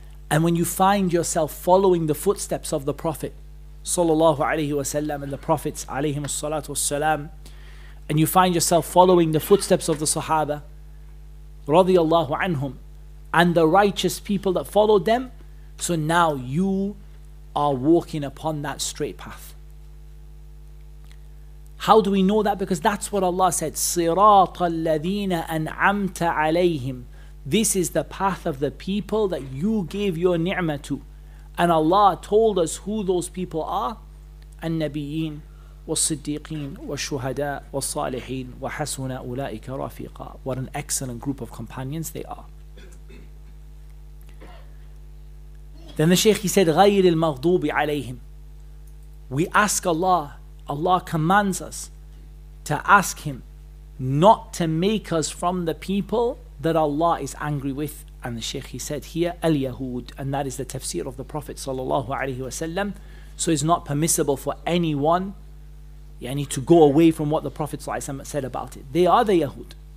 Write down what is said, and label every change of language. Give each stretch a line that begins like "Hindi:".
English: And when you find yourself following the footsteps of the Prophet sallallahu alayhi wa sallam and the Prophets alayhim as-salatu wassalam, and you find yourself following the footsteps of the Sahaba radiallahu anhum and the righteous people that followed them, so now you are walking upon that straight path. How do we know that? Because that's what Allah said,
Arabic: صراط الذين أنعمت عليهم.
English: This is the path of the people that you gave your ni'mah to. And Allah told us who those people are.
Arabic: النبيين والصديقين والشهداء والصالحين وحسن أولئك رفيقا.
English: What an excellent group of companions they are. Then the Shaykh, he said,
Arabic: غير المغضوب عليهم.
English: We ask Allah, Allah commands us to ask Him not to make us from the people that Allah is angry with. And the Shaykh, he said here, Al-Yahud, and that is the tafsir of the Prophet sallallahu alayhi wa sallam. So it's not permissible for anyone to go away from what the Prophet sallallahu alayhi wa sallam said about it. They are the Yahud.